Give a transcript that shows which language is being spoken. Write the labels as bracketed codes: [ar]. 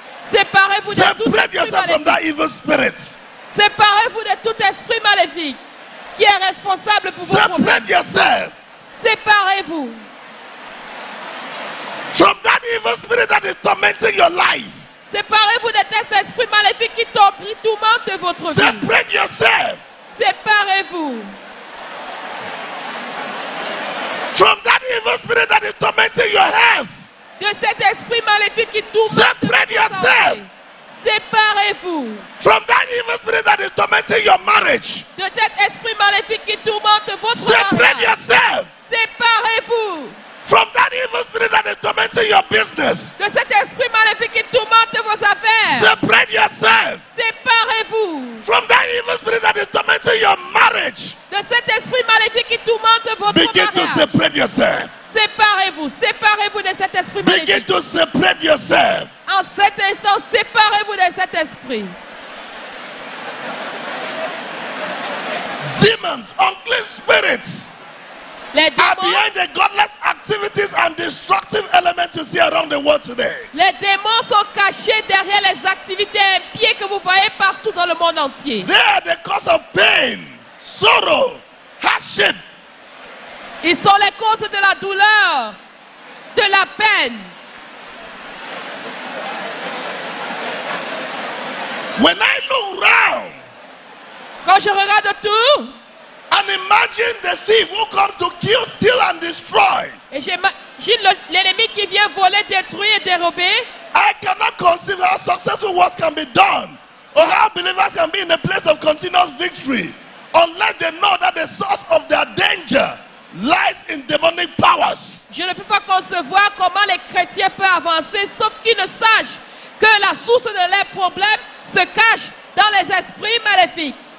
[fr] Séparez-vous de tout esprit maléfique. [en] From that evil spirit. [fr] Séparez-vous de tout esprit maléfique. Qui est responsable pour [en] separate [fr] vos problèmes. [en] Separate yourself. [fr] Séparez-vous. [en] From that evil spirit that is tormenting your life. [fr] Séparez-vous de cet esprit maléfique qui tourmente votre vie. [en] Separate yourself. [fr] Séparez-vous. [en] From that evil spirit that is tormenting your health. [fr] De cet esprit maléfique qui tourmente votre [en] Separate yourself. [fr] Séparez-vous. [en] From that evil spirit that is tormenting your marriage. [fr] De cet esprit maléfique qui tourmente votre mariage. [en] Separate yourself. [fr] Séparez-vous. [en] From that evil spirit that is tormenting your business. [fr] De cet esprit maléfique qui tourmente vos affaires. [en] Separate yourself. [fr] Séparez-vous. [en] From that evil spirit that is tormenting your marriage. [fr] De cet esprit maléfique qui tourmente votre [en] Begin [fr] mariage. [en] To separate yourself. [fr] Séparez-vous. Séparez-vous de cet esprit maléfique. [en] Begin to separate yourself. [fr] En cet instant, séparez-vous de cet esprit. [en] Demons, unclean spirits. [fr] Les démons, [en] are behind the godless activities and destructive elements you see around the world today. [fr] Les démons sont cachés derrière les activités impies que vous voyez partout dans le monde entier. [en] They are the cause of pain, sorrow, hardship. [fr] Ils sont les causes de la douleur, de la peine. [en] When I look around, [fr] quand je regarde tout, [en] and imagine the thief who comes to kill, steal, and destroy. [fr] Et j'imagine l'ennemi qui vient voler, détruire et dérober. [en] I cannot conceive how successful works can be done, or how believers can be in a place of continuous victory, unless they know that the source of their danger lies in demonic powers. [fr] Je ne peux pas concevoir comment les chrétiens peuvent avancer, sauf qu'ils ne sachent que la source de leurs problèmes se cache dans les esprits maléfiques.